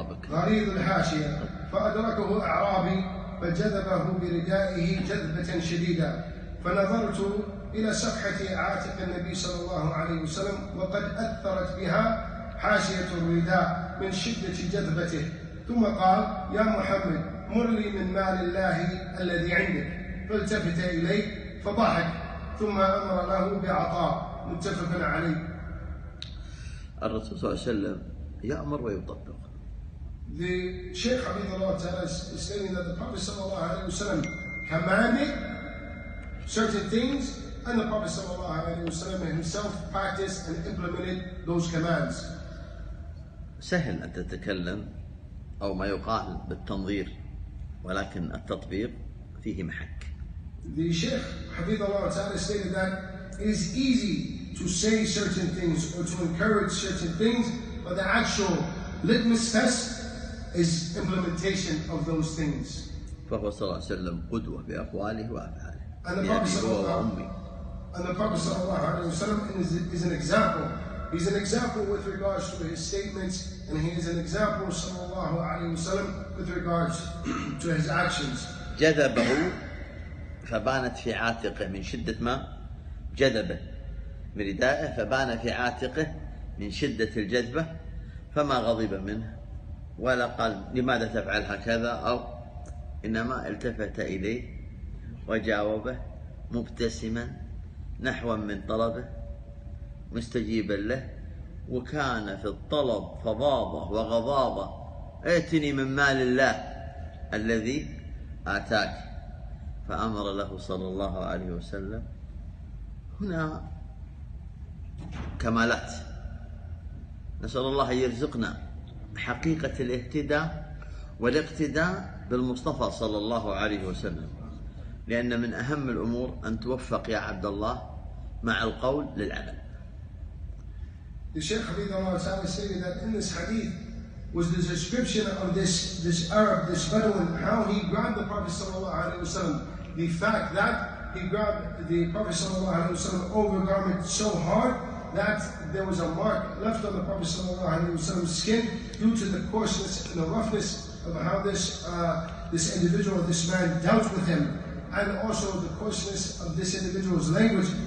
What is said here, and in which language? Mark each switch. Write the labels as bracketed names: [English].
[Arabic] غليظ الحاشية فأدركه أعرابي فجذبه بردائه جذبة شديدة فنظرت إلى صفحة عاتق النبي صلى الله عليه وسلم وقد أثرت بها حاشية الرداء من شدة جذبته ثم قال يا محمد مر لي من مال الله الذي عندك فالتفت إلي فضحك ثم أمر له بعطاء متفق عليه الرسول صلى الله عليه وسلم يأمر ويطبق [English] the Sheikh حبيب الله تعالى is saying that the Prophet صلى الله عليه وسلم commanded certain things and the Prophet صلى الله عليه وسلم himself practiced and implemented those commands [Arabic] سهل أن تتكلم أو ما يقال بالتنظير ولكن التطبيق فيه محك [English] the Sheikh حبيب الله تعالى is saying that It is easy to say certain things or to encourage certain things, but the actual litmus test is implementation of those things. [Arabic] فَهُوَ صَلَّى اللَّهُ عَلَيْهِ وَسَلَّمَ قُدْوَةً بِأَقْوَالِهِ وَأَفْعَالِهِ. [English] And the Prophet sallallahu alaihi wasallam is an example. He's an example with regards to his statements, and he is an example sallallahu alaihi wasallam with regards to his actions. [Arabic] جذبه فبانت في عاتقه من شدة ما. جذبه من ردائه فبان في عاتقه من شدة الجذبة فما غضب منه ولا قال لماذا تفعل هكذا أو إنما التفت إليه وجاوبه مبتسما نحو من طلبه مستجيبا له وكان في الطلب فظاظه وغضاظه ائتني من مال الله الذي آتاك فأمر له صلى الله عليه وسلم هنا كمالات نسأل الله يرزقنا حقيقة الاهتداء والاقتداء بالمصطفى صلى الله عليه وسلم لأن من أهم الأمور أن توفق يا عبد الله مع القول للعمل [English] الشيخ حبيب الله تعالى said that in this hadith was the description of this Arab, this Bedouin, how he grabbed the Prophet صلى الله عليه وسلم the fact that He grabbed the Prophet sallallahu alaihi wasallam over garment so hard that there was a mark left on the Prophet sallallahu alaihi wasallam's skin due to the coarseness and the roughness of how this individual, this man, dealt with him, and also the coarseness of this individual's language.